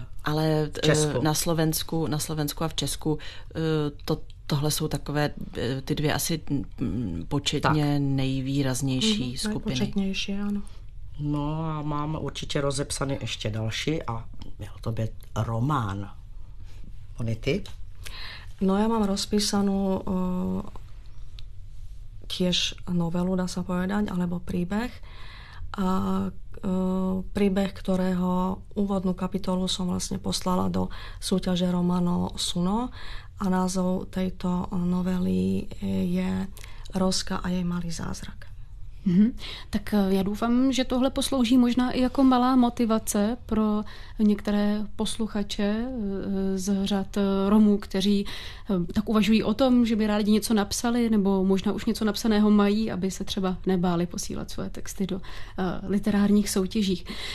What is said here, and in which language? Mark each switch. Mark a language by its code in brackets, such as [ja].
[cs] Ale na Slovensku a v Česku tohle jsou takové ty 2 asi početně tak nejvýraznější skupiny. Nejpočetnější, ano. No a mám určitě rozepsaný ještě další a měl to být román. Oni ty? [sk] No já mám rozpísanou tiež novelu, dá sa povedať, alebo príbeh. A príbeh, ktorého úvodnú kapitolu som vlastne poslala do súťaže Romano Suno. A názov tejto novely je Rozka a jej malý zázrak. Tak ja dúfam, [cs] že tohle poslouží možná i ako malá motivace pro některé posluchače z řad Romů, kteří tak uvažují o tom, že by rádi něco napsali nebo možná už něco napsaného mají, aby se třeba nebáli posílat svoje texty do literárních soutěžích.